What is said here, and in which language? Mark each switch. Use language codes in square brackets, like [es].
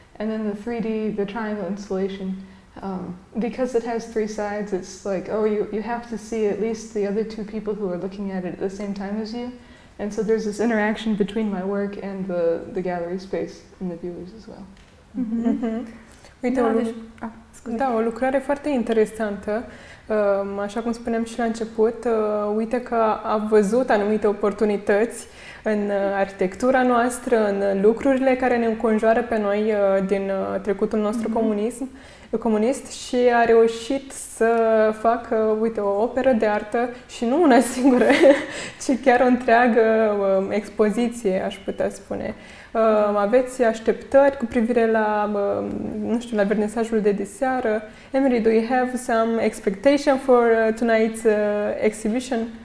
[en] And then the 3D, the triangle installation, because it has three sides, it's like, oh, you have to see at least the other two people who are looking at it at the same time as you. And so there's this interaction between my work and the gallery space and the viewers as well. Mm-hmm. [ro] Da, o lucrare foarte interesantă, așa cum spuneam și la început, uite că a văzut anumite oportunități în arhitectura noastră, în lucrurile care ne înconjoară pe noi din trecutul nostru comunist și a reușit să facă, uite, o operă de artă și nu una singură, ci chiar o întreagă expoziție, aș putea spune. Aveți așteptări cu privire la, nu știu, la vernisajul de diseară? [en] Emery, do you have some expectation for tonight's exhibition?